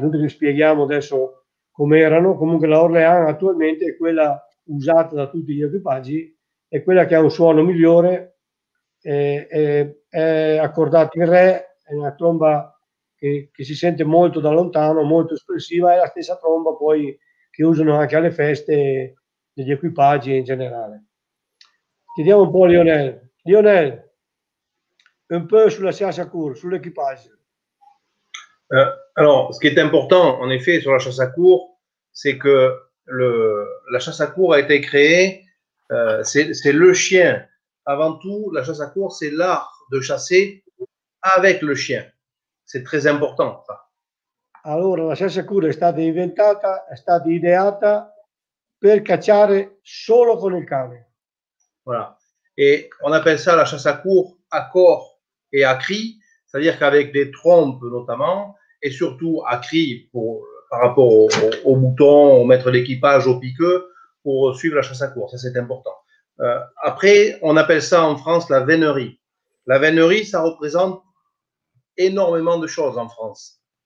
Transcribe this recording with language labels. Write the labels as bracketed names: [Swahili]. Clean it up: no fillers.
[Italian] Noi vi spieghiamo adesso com'erano. Comunque la Orléans attualmente è quella usata da tutti gli equipaggi, è quella che ha un suono migliore, è accordata in re, è una tromba che si sente molto da lontano, molto espressiva, è la stessa tromba poi che usano anche alle feste degli equipaggi in generale. Chiediamo un po' a Lionel. Un po' sulla chasse à cour, sull'equipage. [French] Alors, ce qui est important, en effet, sur la chasse à cour, c'est que la chasse à cour a été créée, c'est le chien. Avant tout, la chasse à cour, c'est l'art de chasser avec le chien. C'est très important, ça. [Italian] Allora, la chasse à cour è stata ideata per cacciare solo con il cane. [French] Voilà. Et on appelle ça la chasse à cour à cor et à cri, c'est-à-dire qu'avec des trompes notamment, et surtout à cri par rapport au mouton, au maître d'équipage, au piqueux, pour suivre la chasse à cour. Ça, c'est important. Après, on appelle ça en France la vénerie. La vénerie, ça représente énormément de choses en France.